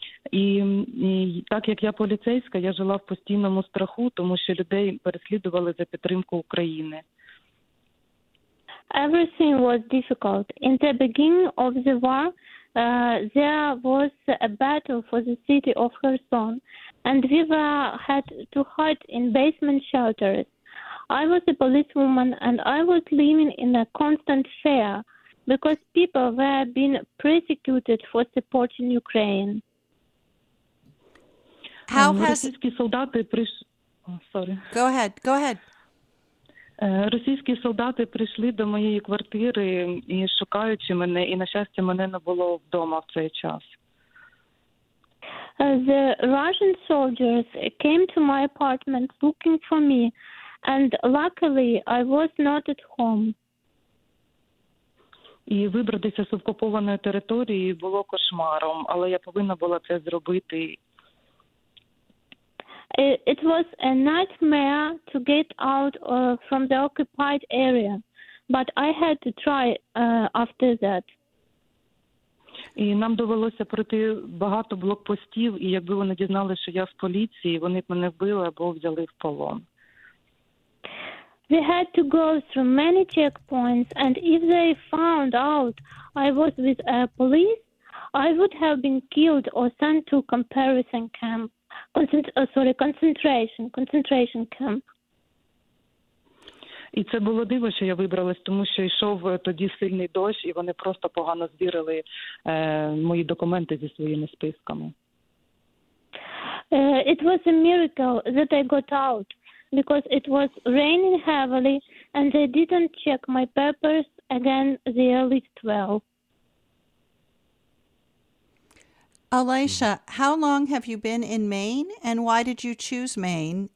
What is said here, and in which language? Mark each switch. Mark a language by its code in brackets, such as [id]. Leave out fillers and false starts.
[uk] І так як я поліцейська, я жила в постійному страху, тому що людей переслідували за підтримку України. [en] Everything was difficult. In the beginning of the war, there was a battle for the city of Kherson, and we had to hide in basement shelters. I was a policewoman, and I was living in a constant fear because people were being persecuted for supporting Ukraine. How [uk] Російські солдати прийшли. [en] Go ahead. [uk] Російські солдати прийшли до моєї квартири і шукаючи мене, і на щастя, мене не було вдома в цей час. [en] The Russian soldiers came to my apartment looking for me. And luckily, I was not at home. [uk] І вибратися з окупованої території було кошмаром, але я повинна була це зробити. [en] It was a nightmare to get out from the occupied area, but I had to try after that. [uk] І нам довелося пройти багато блокпостів, і якби вони дізналися, що я з поліції, вони б мене вбили або взяли в полон. [en] We had to go through many checkpoints, and if they found out I was with police, I would have been killed or sent to comparison camp. Concentration camp. [uk] І це було диво, що я вибралась, тому що йшов тоді сильний дощ, і вони просто погано збірили мої документи зі своїми списками. [en] It was a miracle that I got out. Because it was raining heavily and they didn't check my papers again the early 12. Alicia, how long have you been in Maine, and why did you choose Maine?